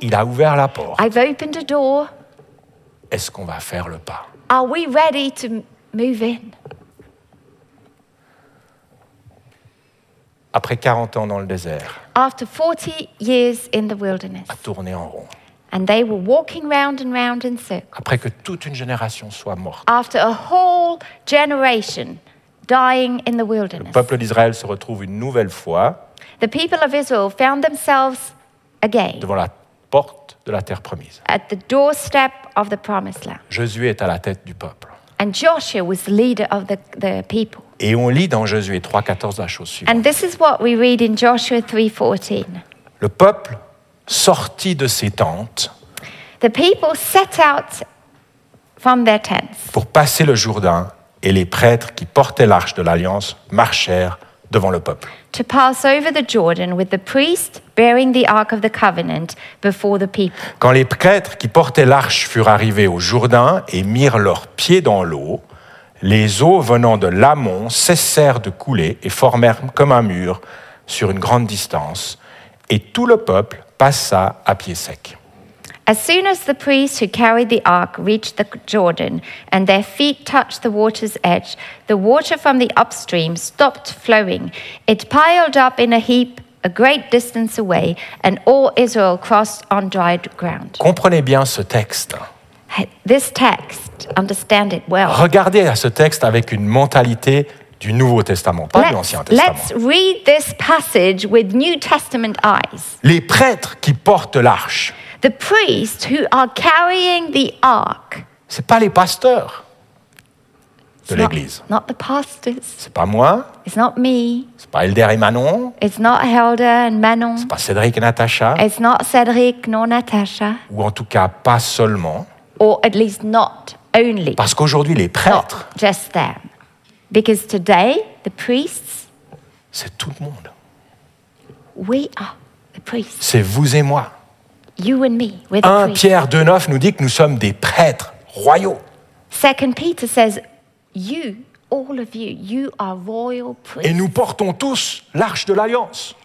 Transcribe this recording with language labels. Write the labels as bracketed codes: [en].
[fr] Il a ouvert la porte. [en] I've opened a door. [fr] Est-ce qu'on va faire le pas? [en] Are we ready to move in? [fr] Après 40 ans dans le désert. [en] After 40 years in the wilderness. [fr] À tourner en rond. [en] And they were walking round and round in circles. [fr] Après que toute une génération soit morte. [en] After a whole generation dying in the wilderness. [fr] Le peuple d'Israël se retrouve une nouvelle fois. [en] The people of Israel found themselves again. [fr] Devant la porte de la terre promise. [en] At the doorstep of the promised land. [fr] Josué est à la tête du peuple. [en] And Joshua was the leader of the people. [fr] Et on lit dans Josué 3:14 la chose suivante. [en] And this is what we read in Joshua 3:14. [fr] Le peuple sortit de ses tentes. [en] The people set out from their tents. [fr] Pour passer le Jourdain, et les prêtres qui portaient l'arche de l'alliance marchèrent devant le peuple. [en] To pass over the Jordan with the priest bearing the ark of the covenant before the people. [fr] Quand les prêtres qui portaient l'arche furent arrivés au Jourdain et mirent leurs pieds dans l'eau, les eaux venant de l'amont cessèrent de couler et formèrent comme un mur sur une grande distance, et tout le peuple passa à pied sec. [en] As soon as the priests who carried the ark reached the Jordan and their feet touched the water's edge, the water from the upstream stopped flowing. It piled up in a heap a great distance away and all Israel crossed on dry ground. [fr] Comprenez bien ce texte. [en] This text, understand it well. [fr] Regardez à ce texte avec une mentalité du Nouveau Testament, pas de l'Ancien Testament. [en] Let's read this passage with New Testament eyes. [fr] Les prêtres qui portent l'arche. [en] The priests who are carrying the ark. [fr] C'est pas les pasteurs de l'église. [en] Not the pastors. [fr] C'est pas moi. [en] It's not me. [fr] C'est pas Elder et Manon. [en] It's not Helder and Manon. [fr] C'est pas Cédric et Natacha. [en] It's not Cédric nor Natacha. [fr] Ou en tout cas pas seulement. [en] Or at least not only. [fr] Parce qu'aujourd'hui les prêtres. [en] Not just them. Because today the priests. [fr] C'est tout le monde. [en] We are the priests. [fr] C'est vous et moi. [en] You and me, we're the [fr] 1 Pierre 2:9 nous dit que nous sommes des prêtres royaux. [en] 2 Peter says you all of you you are royal priests. [fr] Et nous portons tous l'arche de l'alliance.